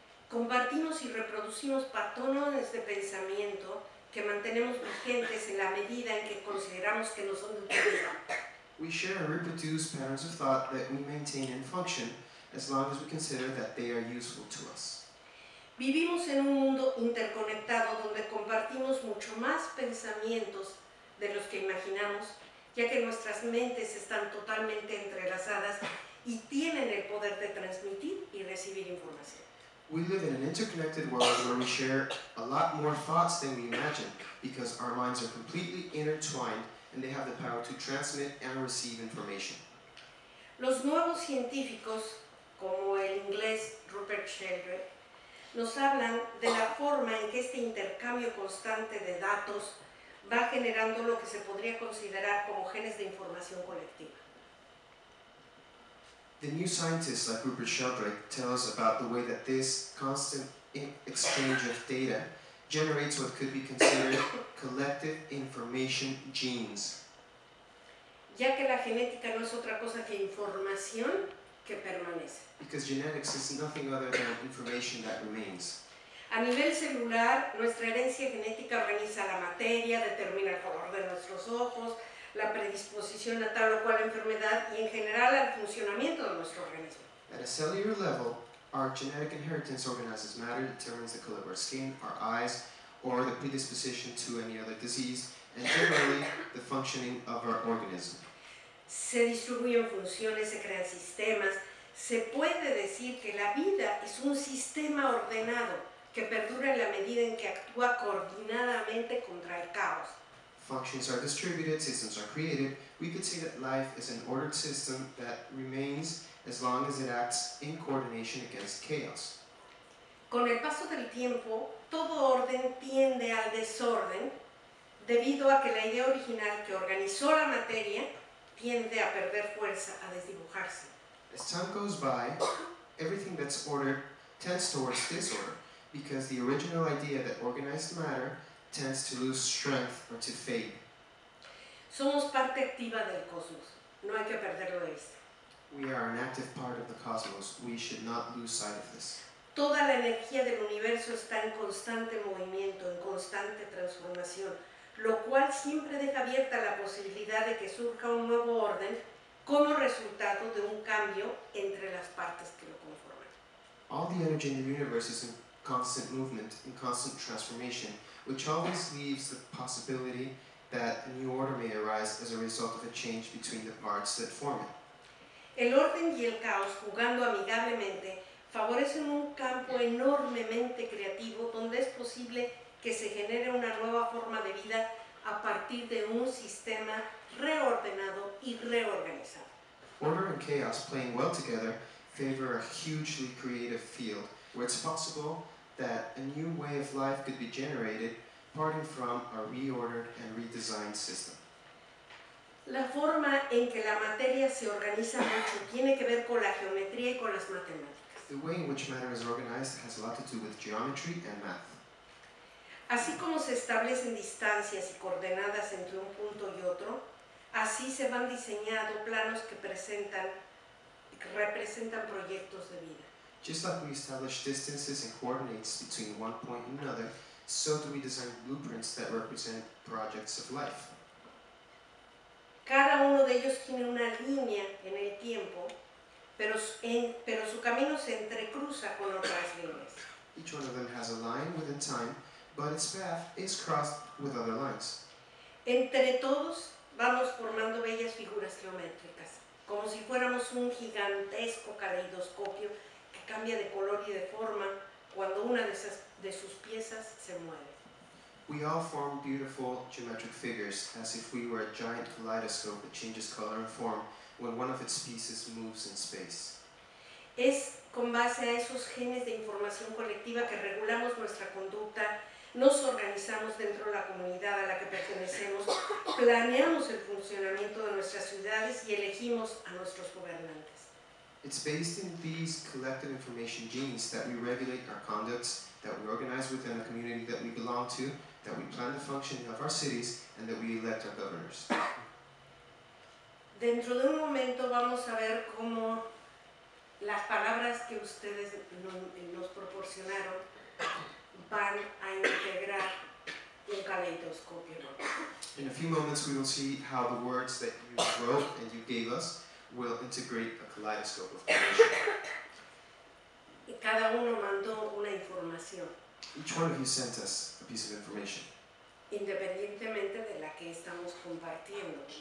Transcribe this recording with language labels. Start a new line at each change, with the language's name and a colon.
Spanish: Compartimos y reproducimos patrones de pensamiento que mantenemos vigentes en la medida en que consideramos que no son de utilidad.
English: We share and reproduce patterns of thought that we maintain in function as long as we consider that they are useful to us.
Spanish: Vivimos en un mundo interconectado donde compartimos mucho más pensamientos de los que imaginamos, ya que nuestras mentes están totalmente entrelazadas y tienen el poder de transmitir y recibir información.
English: We live in an interconnected world where we share a lot more thoughts than we imagine because our minds are completely intertwined and they have the power to transmit and receive information.
Spanish: Los nuevos científicos, como el inglés Rupert Sheldrake, nos hablan de la forma en que este intercambio constante de datos va generando lo que se podría considerar como genes de información colectiva.
English: The new scientists like Rupert Sheldrake tell us about the way that this constant exchange of data generates what could be considered collective information genes.
Spanish: Ya que la genética no es otra cosa que información que permanece.
English: Because genetics is nothing other than information that remains.
Spanish: A nivel celular, nuestra herencia genética organiza la materia, determina el color de nuestros ojos, la predisposición a tal o cual enfermedad y en general al funcionamiento de nuestro organismo.
English: At a cellular level, our genetic inheritance organizes matter, determines the color of our skin, our eyes, or the predisposition to any other disease, and generally the functioning of our organism.
Spanish: Se distribuyen funciones, se crean sistemas. Se puede decir que la vida es un sistema ordenado que perdura en la medida en que actúa coordinadamente contra el caos.
English: Functions are distributed, systems are created. We could say that life is an ordered system that remains as long as it acts in coordination against chaos.
Spanish: Con el paso del tiempo, todo orden tiende al desorden debido a que la idea original que organizó la materia tiende a perder fuerza, a desdibujarse.
English: As time goes by, everything that's ordered tends towards disorder because the original idea that organized matter tends to lose strength or to fade.
Spanish: Somos parte activa del cosmos. No hay que perderlo de vista.
English: We are an active part of the cosmos. We should not lose sight of this.
Spanish: Toda la energía del universo está en constante movimiento, en constante transformación, lo cual siempre deja abierta la posibilidad de que surja un nuevo orden como resultado de un cambio entre las partes que lo conforman.
English: All the energy in the universe is in constant movement, in constant transformation, which always leaves the possibility that a new order may arise as a result of a change between the parts that form it.
Spanish: El orden y el caos, jugando amigablemente, favorecen un campo enormemente creativo donde es posible que se genere una nueva forma de vida a partir de un sistema reordenado y reorganizado.
English: Order and chaos playing well together favor a hugely creative field where it's possible that a new way of life could be generated parting from a reordered and redesigned system.
Spanish: La forma en que la materia se organiza mucho tiene que ver con la geometría y con las matemáticas.
English: The way in which matter is organized has a lot to do with geometry and math.
Spanish: Así como se establecen distancias y coordenadas entre un punto y otro, así se van diseñando planos que representan proyectos de vida.
English: Just like we establish distances and coordinates between one point and another, so do we design blueprints that represent projects of life.
Spanish: Cada uno de ellos tiene una línea en el tiempo, pero su camino se entrecruza con otras líneas.
English: Each one of them has a line within time, but its path is crossed with other lines.
Spanish: Entre todos vamos formando bellas figuras geométricas, como si fuéramos un gigantesco caleidoscopio que cambia de color y de forma cuando una de sus piezas se mueve.
English: We all form beautiful geometric figures as if we were a giant kaleidoscope that changes color and form when one of its pieces moves in space.
Spanish: Es con base a esos genes de información colectiva que regulamos nuestra conducta, nos organizamos dentro de la comunidad a la que pertenecemos, planeamos el funcionamiento de nuestras ciudades y elegimos a nuestros gobernantes.
English: It's based in these collective information genes that we regulate our conducts, that we organize within the community that we belong to, that we plan the functioning of our cities, and that we elect our governors.
Spanish: Dentro de un momento vamos a ver cómo las palabras que ustedes nos proporcionaron van a integrar un caleidoscopio.
English: In a few moments we will see how the words that you wrote and you gave us will integrate a kaleidoscope of creation.
Spanish: Y cada uno mandó una información.
English: Each one of you sent us a piece of information.
Spanish: Independientemente de la que estamos compartiendo.